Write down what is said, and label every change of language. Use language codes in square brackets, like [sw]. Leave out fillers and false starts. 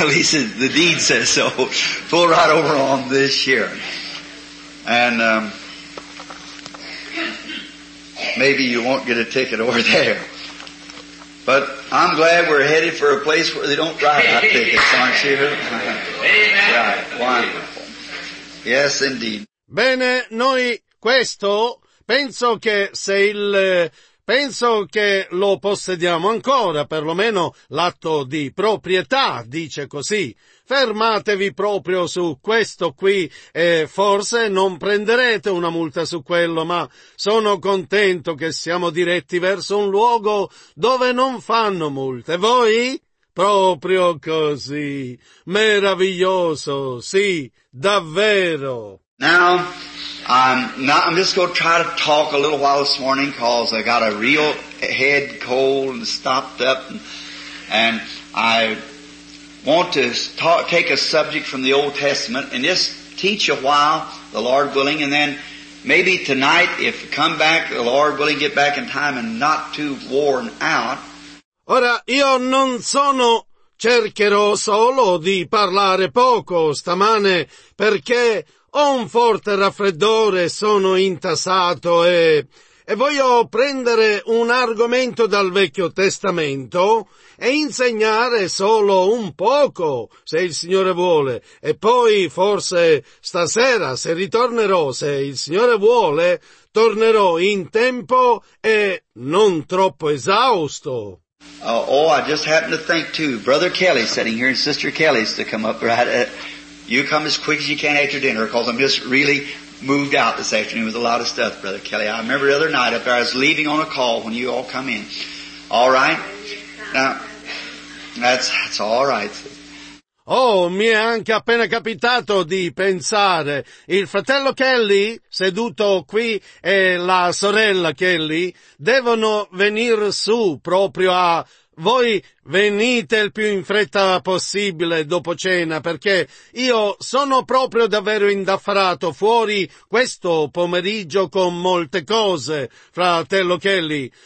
[en] At least the deed says so. Pull right over on this year. And maybe you won't get a ticket over there. But I'm glad we're headed for a place where they don't drive out tickets, aren't you? Amen. Right. Wonderful. Yes, indeed. [it] Bene, noi questo penso che se il... Penso che lo possediamo ancora, perlomeno l'atto di proprietà, dice così. Fermatevi proprio su questo qui e forse non prenderete una multa su quello, ma sono contento che siamo diretti verso un luogo dove non fanno multe. Voi? Proprio così. Meraviglioso, sì, davvero. [en] Now, I'm just going to try to talk a little while this morning because I got a real head cold and stopped up, and I want to take a subject from the Old Testament and just teach a while, the Lord willing, and then maybe tonight, if we come back, the Lord willing, get back in time and not too worn out. [it] Ora, io non sono, cercherò solo di parlare poco stamane perché ho un forte raffreddore, sono intasato e voglio prendere un argomento dal Vecchio Testamento e insegnare solo un poco, se il Signore vuole. E poi, forse stasera, se ritornerò, se il Signore vuole, tornerò in tempo e non troppo esausto. [en] Oh, I just happened to think too. Brother Kelly sitting here, and Sister Kelly's to come up right at... You come as quick as you can after dinner, because I'm just really moved out this afternoon with a lot of stuff, Brother Kelly. I remember the other night up there, I was leaving on a call when you all come in. All right? Now, that's all right. [it] Oh, mi è anche appena capitato di pensare. Il fratello Kelly, seduto qui, e la sorella Kelly, devono venire su proprio a... Voi venite il più in fretta possibile dopo cena, perché io sono proprio davvero indaffarato fuori questo pomeriggio con molte cose, fratello Kelly.